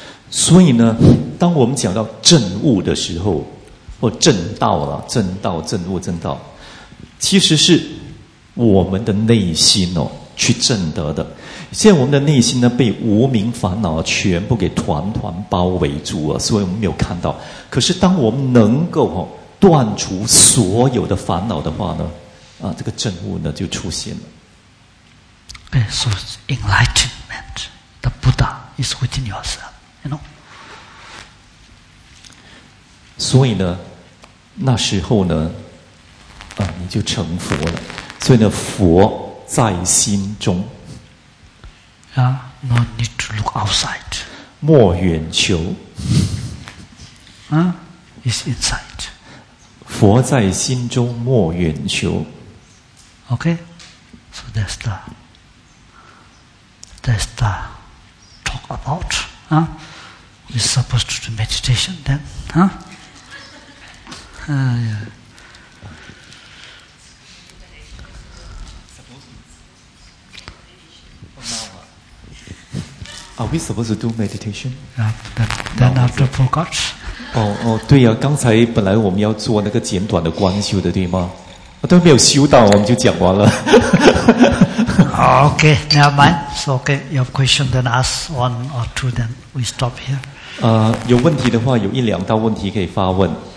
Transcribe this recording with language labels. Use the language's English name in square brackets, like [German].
[Chinese] 所以呢，当我们讲到证悟的时候，或证道了，证道、证悟、证道，其实是我们的内心哦去证得的。现在我们的内心呢，被无明烦恼全部给团团包围住啊，所以我们没有看到。可是当我们能够哦断除所有的烦恼的话呢，啊，这个证悟呢就出现了。 [English] Okay, so enlightenment, the Buddha is within yourself. You know? [Chinese] 所以呢，那时候呢，啊，你就成佛了。所以呢，佛在心中。 [English] Yeah, no need to look outside. [Chinese] 莫远求。 [English] It's inside. [Chinese] 佛在心中，莫远求。 [English] Okay, so that's the talk about, We're supposed to do meditation then, huh? Are we supposed to do meditation? Then after forgot. [Chinese] Oh, 对啊，刚才本来我们要做那个简短的观修的，对吗？都没有修到，我们就讲完了。 [English] Okay, never mind. So, okay, you have question, then ask one or two, then we stop here. [Chinese] 有问题的话，有一两道问题可以发问。